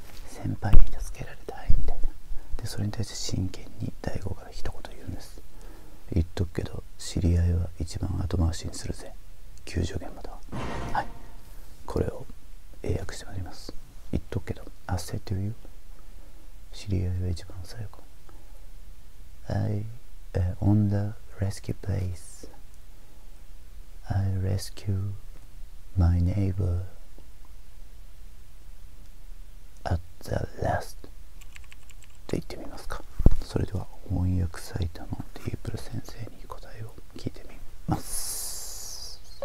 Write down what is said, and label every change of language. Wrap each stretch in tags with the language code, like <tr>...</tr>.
<ja>先輩に助けられたいみたいな。でそれに対して真剣に大吾から一言言うんです。言っとくけど知り合いは一番後回しにするぜ、救助現場だ。はい、これを英訳してまいります。言っとくけど</ja> <en>I say to you</en> <ja>知り合いは一番最後。</ja> <en>I on the rescue place I rescue my neighbor at the last</en> <ja>って言ってみますか。それでは翻訳サイトのディープル先生に答えを聞いてみます。</ja>